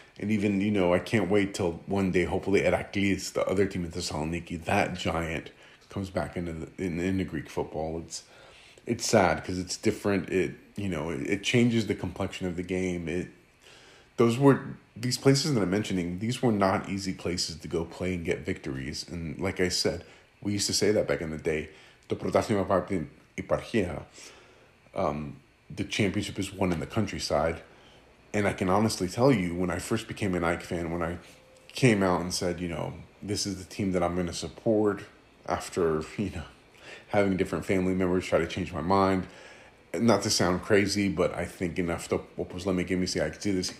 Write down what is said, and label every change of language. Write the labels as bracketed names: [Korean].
[English] And even, you know, I can't wait till one day, hopefully, Heraklis, the other team in Thessaloniki, that giant, comes back into Greek football. It's sad because it's different. It, you know, it changes the complexion of the game. These places that I'm mentioning, these were not easy places to go play and get victories. And like I said, we used to say that back in the day. [Greek] Το πρωτάθλημα από την επαρχία. [English] The championship is won in the countryside. And I can honestly tell you, when I first became an AEK fan, when I came out and said, you know, this is the team that I'm going to support after, you know, having different family members try to change my mind. Not to sound crazy, but I think enough to opus let me give me see I could do this.